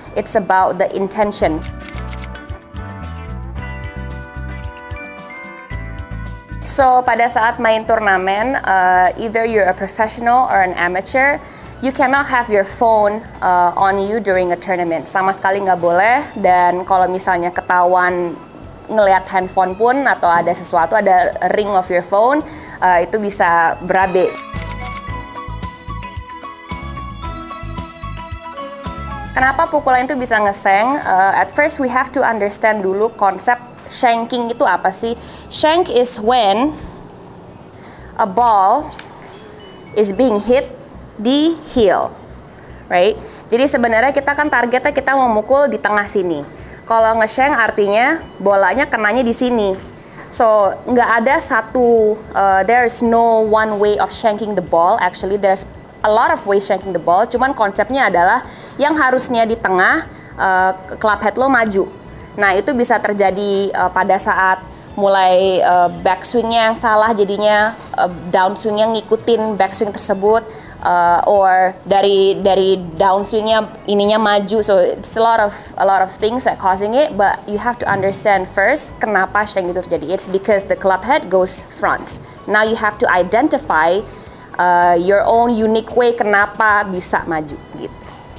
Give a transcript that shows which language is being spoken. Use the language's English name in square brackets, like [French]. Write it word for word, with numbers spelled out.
[English] It's about the intention. [Indonesian] So pada saat main turnamen, [English] uh, either you're a professional or an amateur, you cannot have your phone uh, on you during a tournament. [Indonesian] Sama sekali nggak boleh. Dan kalau misalnya ketahuan ngelihat handphone pun atau ada sesuatu, ada [English] ring of your phone, [Indonesian] uh, itu bisa berabe. Kenapa pukulan itu bisa ngeseng? Uh, [English] at first we have to understand [Indonesian] dulu konsep shanking itu apa sih? [English] Shank is when a ball is being hit di heel, right? [Indonesian] Jadi sebenarnya kita kan targetnya kita memukul di tengah sini. Kalau ngeshank artinya bolanya kenanya di sini. So nggak ada satu, uh, [English] there's no one way of shanking the ball. Actually there's a lot of ways shanking the ball, [Indonesian] cuman konsepnya adalah yang harusnya di tengah, [English] uh, club head lo maju. [Indonesian] Nah itu bisa terjadi uh, pada saat mulai uh, backswingnya yang salah, jadinya uh, downswingnya ngikutin backswing tersebut, uh, or dari dari downswingnya ininya maju. [English] So it's a lot of a lot of things that causing it, but you have to understand first [Indonesian] kenapa shank itu terjadi. [English] It's because the club head goes front. Now you have to identify Uh, your own unique way [Indonesian] kenapa bisa maju gitu.